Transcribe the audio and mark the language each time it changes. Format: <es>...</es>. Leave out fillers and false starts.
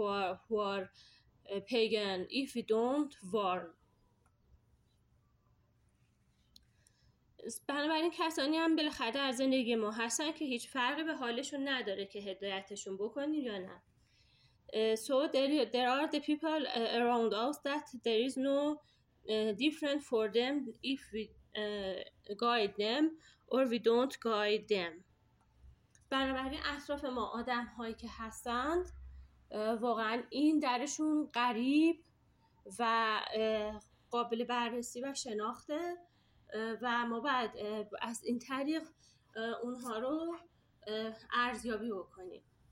<en>And so it wouldn't be clear that the people who are believers or who are pagan if we don't warn.</en> <fa>بنابراین کسانی هم بالاخره در زندگی ما هستن که هیچ فرقی به حالشون نداره که هدایتشون بکنیم یا نه.</fa> <en>So there are the people around us that there is no different for them if we guide them or we don't guide them.</en> <fa>بنابراین اطراف ما آدم هایی که هستند واقعا این درشون غریب و قابل بررسی و شناخته و ما باید از این طریق اونها رو ارزیابی بکنیم.</fa>